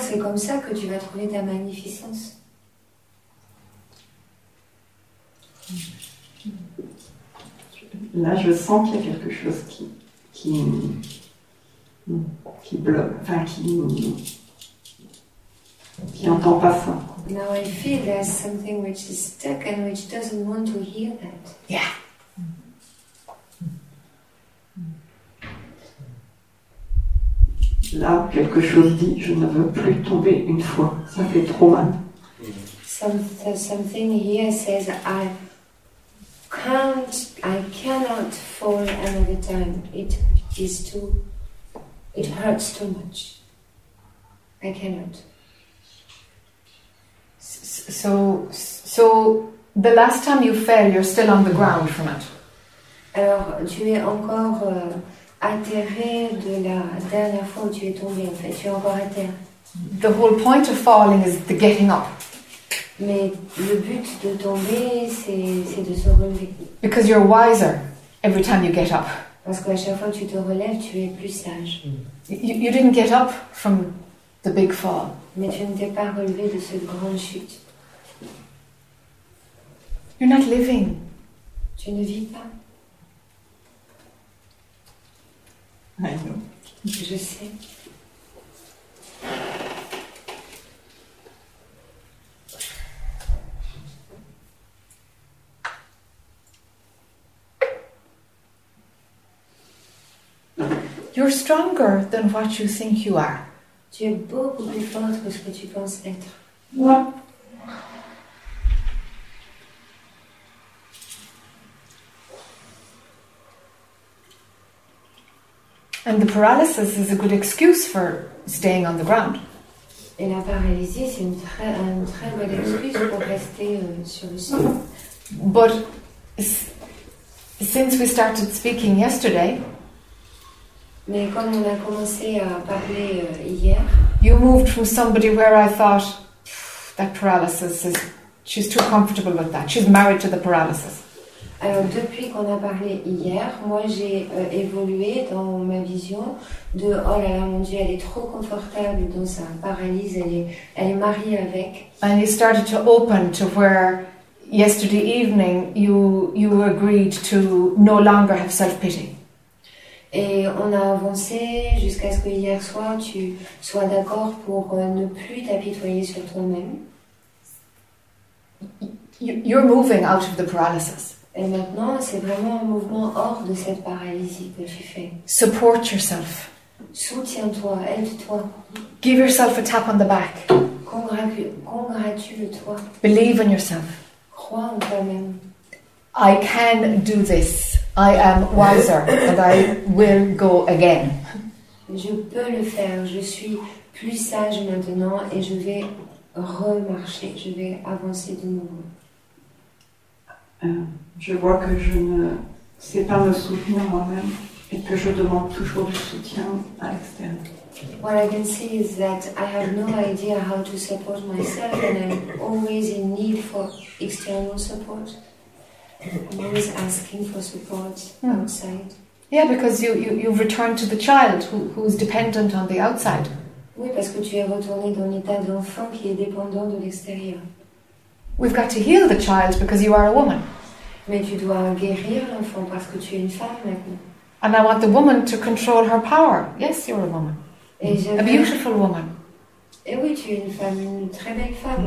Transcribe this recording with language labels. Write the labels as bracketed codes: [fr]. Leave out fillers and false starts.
[fr] C'est comme ça que tu vas trouver ta magnificence. Là, je sens qu'il y a quelque chose qui bloque, enfin qui n'entend pas ça. [en] Now I feel there's something which is stuck and which doesn't want to hear that. Yeah. [fr] Là, quelque chose dit, je ne veux plus tomber une fois. Ça fait trop mal. [en] Something here says I cannot fall another time. It hurts too much. I cannot. So the last time you fell, you're still on the ground from it. [fr] Alors, tu es encore atterré de la dernière fois où tu es tombé, en fait, tu es encore à terre. [en] The whole point of falling is the getting up. [fr] Mais le but de tomber, c'est de se relever. [en] Because you're wiser every time you get up. [fr] Parce qu'à chaque fois que tu te relèves, tu es plus sage. [en] You didn't get up from the big fall. [fr] Mais tu ne t'es pas relevé de cette grande chute. [en] You're not living. [fr] Tu ne vis pas. [en] I know. [fr] Je sais. [en] You're stronger than what you think you are. [fr] Tu es beaucoup plus forte que ce que tu penses être. [en] What? And the paralysis is a good excuse for staying on the ground. [fr] Et la paralysie, c'est une très bonne excuse pour rester sur le sol. [en] But since we started speaking yesterday, [fr] mais comme on a commencé à parler hier, [en] you moved from somebody where I thought that paralysis is, she's too comfortable with that. She's married to the paralysis. [fr] Alors, depuis qu'on a parlé hier, moi j'ai évolué dans ma vision de oh là là mon Dieu, elle est trop confortable dans sa paralysie, elle est mariée avec. [en] And you started to open to where yesterday evening you agreed to no longer have self-pity. [fr] Et on a avancé jusqu'à ce que hier soir tu sois d'accord pour ne plus t'apitoyer sur toi-même. [en] You're moving out of the paralysis. [fr] Et maintenant, c'est vraiment un mouvement hors de cette paralysie que tu fais. [en] Support yourself. [fr] Soutiens-toi, aide-toi. [en] Give yourself a tap on the back. [fr] Congratule-toi. [en] Believe in yourself. [fr] Crois en toi-même. [en] I can do this. I am wiser and I will go again. [fr] Je peux le faire. Je suis plus sage maintenant et je vais remarcher. Je vais avancer de nouveau. Je vois que je ne sais pas me soutenir moi-même et que je demande toujours du soutien à l'extérieur. [en] What I can see is that I have no idea how to support myself and I'm always in need for external support. I'm always asking for support outside. Yeah, because you've returned to the child who's dependent on the outside. [fr] Oui, parce que tu es retourné dans l'état d'enfant qui est dépendant de l'extérieur. [en] We've got to heal the child because you are a woman. [fr] Mais tu dois guérir l'enfant parce que tu es une femme maintenant. [en] And I want the woman to control her power. Yes, you're a woman. [fr] Et [en] a beautiful woman. [fr] Et oui, tu es une femme, une très belle femme.